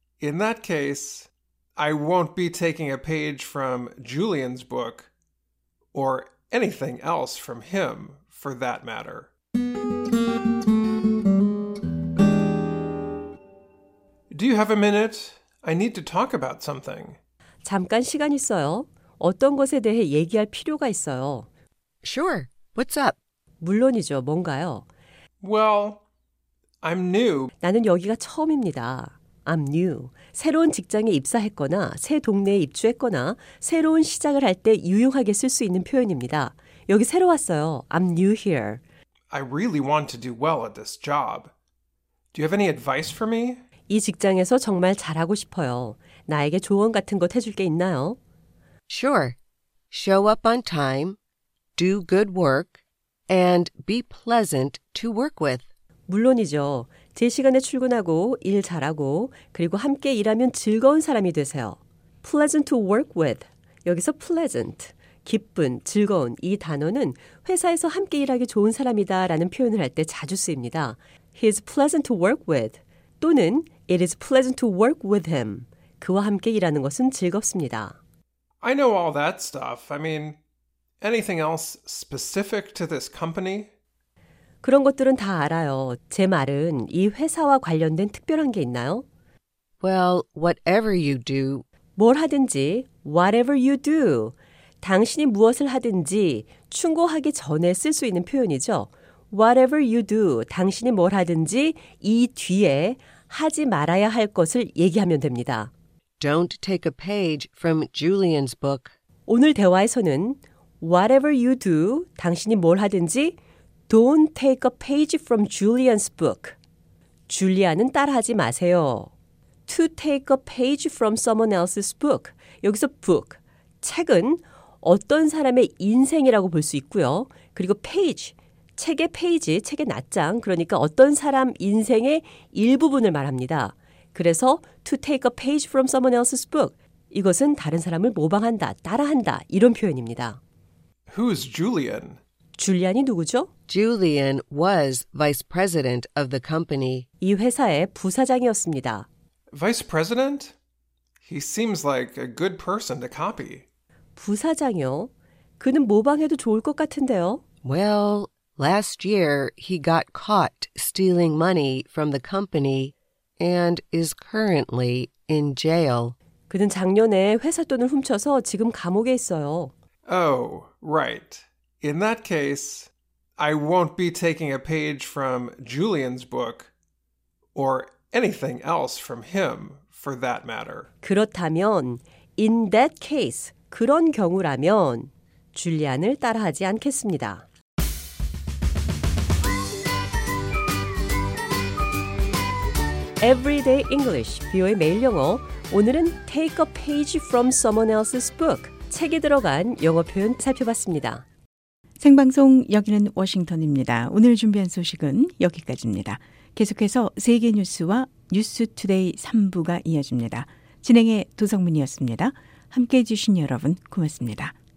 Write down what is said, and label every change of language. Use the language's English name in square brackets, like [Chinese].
[English] In that case, I won't be taking a page from Julian's book or anything else from him, for that matter. 'Do you have a minute? I need to talk about something.' [Korean] 잠깐 시간 있어요? 어떤 것에 대해 얘기할 필요가 있어요. [English] Sure. What's up? [Korean] 물론이죠. 뭔가요? [English] Well, I'm new. [Korean] 나는 여기가 처음입니다. [English] I'm new. [Korean] 새로운 직장에 입사했거나 새 동네에 입주했거나 새로운 시작을 할 때 유용하게 쓸 수 있는 표현입니다. 여기 새로 왔어요. [English] I'm new here. I really want to do well at this job. Do you have any advice for me? [Korean] 이 직장에서 정말 잘하고 싶어요. 나에게 조언 같은 것 해줄 게 있나요? [English] Sure. Show up on time, do good work, and be pleasant to work with. [Korean] 물론이죠. 제 시간에 출근하고 일 잘하고 그리고 함께 일하면 즐거운 사람이 되세요. [English] Pleasant to work with. [Korean] 여기서 pleasant, 기쁜, 즐거운 이 단어는 회사에서 함께 일하기 좋은 사람이다 라는 표현을 할 때 자주 쓰입니다. [English] He is pleasant to work with. [Korean] 또는 [English] It is pleasant to work with him. [Korean] 그와 함께 일하는 것은 즐겁습니다. [English] I know all that stuff. I mean, anything else specific to this company? [Korean] 그런 것들은 다 알아요. 제 말은 이 회사와 관련된 특별한 게 있나요? [English] Well, whatever you do. [Korean] 뭘 하든지, [English] whatever you do. [Korean] 당신이 무엇을 하든지 충고하기 전에 쓸 수 있는 표현이죠. [English] Whatever you do, [Korean] 당신이 뭘 하든지 이 뒤에 하지 말아야 할 것을 얘기하면 됩니다. [English] Don't take a page from Julian's book. [Korean] 오늘 대화에서는 [English] whatever you do, [Korean] 당신이 뭘 하든지 [English] don't take a page from Julian's book. [Korean] 줄리아는 따라하지 마세요. [English] To take a page from someone else's book. [Korean] 여기서 book, 책은 어떤 사람의 인생이라고 볼 수 있고요. 그리고 page, 책의 페이지, 책의 낱장, 그러니까 어떤 사람 인생의 일부분을 말합니다. 그래서 [English] to take a page from someone else's book. [Korean] 이것은 다른 사람을 모방한다, 따라한다, 이런 표현입니다. [English] Who's Julian? [Korean] 줄리안이 누구죠? [English] Julian was vice president of the company. [Korean] 이 회사의 부사장이었습니다. [English] Vice president? He seems like a good person to copy. [Korean] 부사장이요? 그는 모방해도 좋을 것 같은데요? [English] Well, last year he got caught stealing money from the company and is currently in jail. [Korean] 그는 작년에 회사 돈을 훔쳐서 지금 감옥에 있어요. [English] Oh, right. In that case, I won't be taking a page from Julian's book or anything else from him, for that matter. [Korean] 그렇다면, [English] in that case, [Korean] 그런 경우라면, 줄리안을 따라하지 않겠습니다. 에브리데이 잉글리시, 비오의 매일 영어. 오늘은 [English] take a page from someone else's book, [Korean] 책에 들어간 영어 표현 살펴봤습니다. 생방송 여기는 워싱턴입니다. 오늘 준비한 소식은 여기까지입니다. 계속해서 세계 뉴스와 뉴스 투데이 3부가 이어집니다. 진행의 도성문이었습니다. 함께해 주신 여러분 고맙습니다.